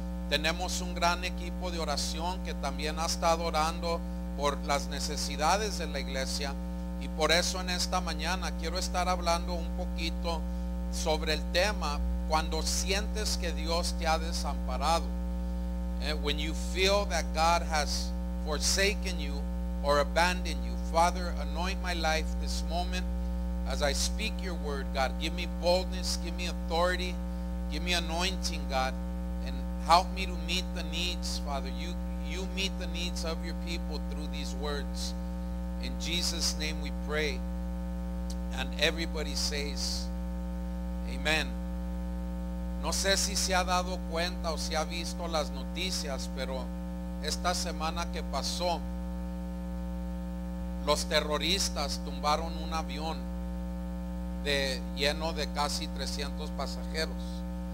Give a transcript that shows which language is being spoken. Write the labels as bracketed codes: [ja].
[es] Tenemos un gran equipo de oración que también ha estado orando por las necesidades de la iglesia. Y por eso en esta mañana quiero estar hablando un poquito sobre el tema cuando sientes que Dios te ha desamparado. [en] When you feel that God has forsaken you or abandoned you, Father, anoint my life this moment as I speak your word, God. Give me boldness, give me authority, give me anointing, God, and help me to meet the needs, Father. You meet the needs of your people through these words. In Jesus' name we pray, and everybody says, Amen. [es] No sé si se ha dado cuenta o si ha visto las noticias, pero esta semana que pasó, los terroristas tumbaron un avión lleno de casi 300 pasajeros.